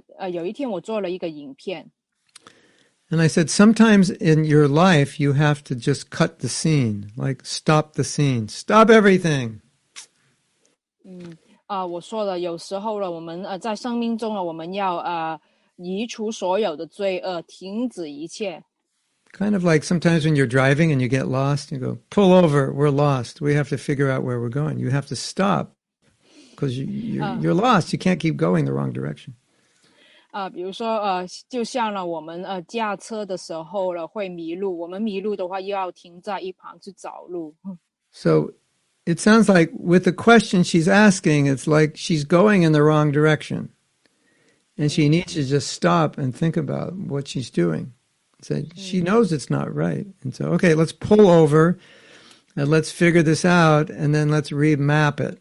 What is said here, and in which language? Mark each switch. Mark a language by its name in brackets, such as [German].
[Chinese] 有一天我做了一个影片。 [English] And I said, sometimes in your life, you have to just cut the scene, like stop the scene, stop everything. [Chinese] 我说了，有时候呢，我们在生命中呢，我们要移除所有的罪恶，停止一切。 [English] kind of like sometimes when you're driving and you get lost, you go, pull over, we're lost. We have to figure out where we're going. You have to stop because you're lost. You can't keep going the wrong direction. [Chinese] 比如说，就像呢，我们驾车的时候了会迷路，我们迷路的话又要停在一旁去找路。 [English] So it sounds like with the question she's asking, it's like she's going in the wrong direction. And she needs to just stop and think about what she's doing. So she knows it's not right. And so, okay, let's pull over and let's figure this out and then let's remap it.